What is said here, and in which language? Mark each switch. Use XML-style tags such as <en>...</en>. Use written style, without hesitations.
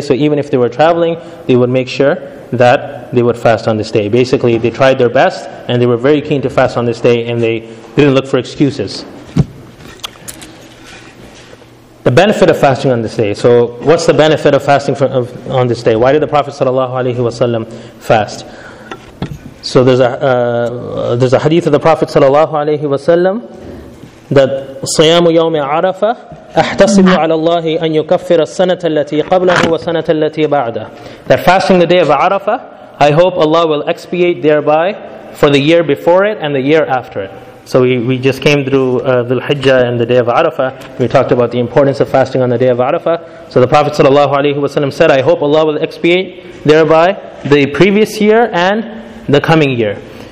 <en>So even if they were traveling, they would make sure that they would fast on this day. Basically, they tried their best, and they were very keen to fast on this day, and they didn't look for excuses. The benefit of fasting on this day. So what's the benefit of fasting on this day? Why did the Prophet sallallahu alaihi wasallam fast? So there's a hadith of the Prophet sallallahu alaihi wasallam that</en> <ar>صيام يوم عرفة احتسب على الله أن يكفر السنة التي قبله وسنة التي بعده.</ar> <en>That fasting the day of Arafah, I hope Allah will expiate thereby for the year before it and the year after it. So we just came through Dhul Hijjah and the day of Arafah. We talked about the importance of fasting on the day of Arafah. So the Prophet ﷺ said, I hope Allah will expiate thereby the previous year and the coming year.</en>